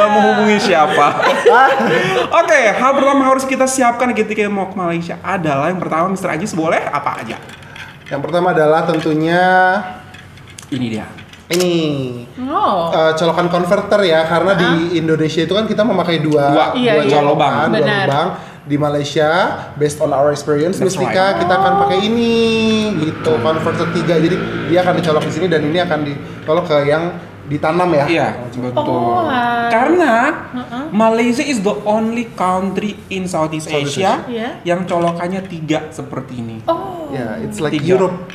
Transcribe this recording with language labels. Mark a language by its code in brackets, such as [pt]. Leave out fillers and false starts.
[id] Tinggal menghubungi siapa. Oke, hal pertama harus kita siapkan ketika mau ke Malaysia adalah yang pertama, Mr. Ajis, boleh apa aja? Yang pertama adalah tentunya ini dia. Ini. Oh. Colokan konverter ya, karena di Indonesia itu kan kita memakai dua colokan, dua lubang. [en] Di Malaysia, based on our experience, that's Mistika, right. [id] Kita akan pakai ini gitu, converter 3. Jadi dia akan dicolok di sini dan ini akan dicolok ke yang ditanam ya. Iya, betul. Oh, karena [en] Malaysia is the only country in Southeast Asia. Yeah. [id] Yang colokannya 3 seperti ini. Oh. Ya, [en] yeah, it's like 3. Europe.